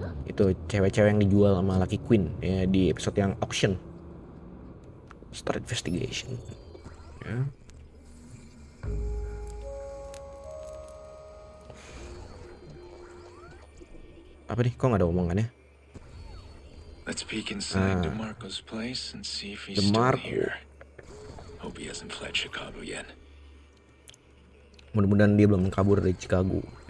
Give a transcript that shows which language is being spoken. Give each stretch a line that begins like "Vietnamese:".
Indonesian: Itu cewek-cewek yang dijual sama Lucky Queen ya di episode yang auction.
English: Start investigation. Ya.
Indonesian: Apa nih? Kok enggak ada omongannya?
English: Let's peek inside DeMarco's place and see if he's still here. Hope he hasn't fled Chicago yet.
Indonesian: Mudah-mudahan dia belum kabur dari Chicago.